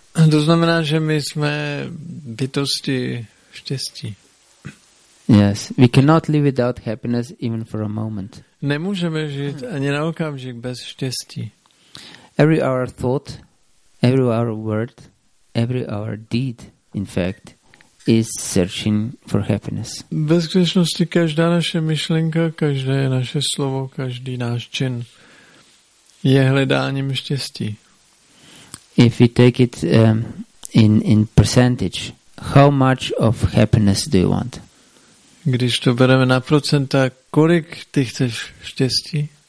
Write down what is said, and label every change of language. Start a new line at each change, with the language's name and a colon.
Czech: To znamená, že my jsme bytosti štěstí.
English: Yes, we cannot live without happiness even for a moment.
Czech: Nemůžeme žít ani na okamžik bez štěstí.
English: Every our thought, every our word, every our deed, in fact, is searching for happiness.
Czech: Ve skutečnosti každá naše myšlenka, každé naše slovo, každý náš čin je hledáním štěstí.
English: If we take it in percentage, how much of happiness do you want?
Czech: Když to bereme na procenta, kolik ty chceš štěstí?